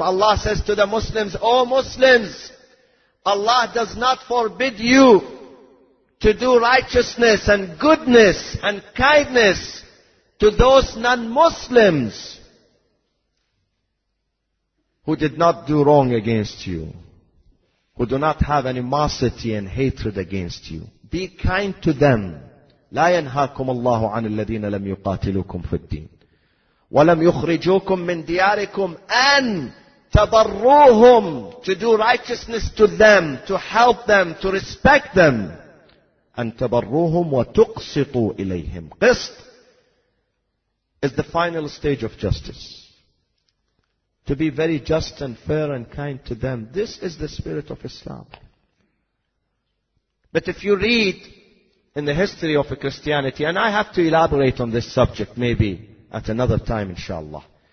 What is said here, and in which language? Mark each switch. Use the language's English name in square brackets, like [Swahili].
[English] Allah says to the Muslims, O Muslims, Allah does not forbid you to do righteousness and goodness and kindness to those non-Muslims who did not do wrong against you, who do not have animosity and hatred against you. Be kind to them. [Arabic] لا ينهاكم الله عن الذين لم يقاتلوكم في الدين ولم يخرجوكم من دياركم أن تبروهم. [English] To do righteousness to them, to help them, to respect them. [Arabic] أن تبروهم وتقسطوا إليهم. [English] قسط is the final stage of justice. to be very just and fair and kind to them. This is the spirit of Islam. But if you read in the history of Christianity, and I have to elaborate on this subject maybe at another time, inshallah.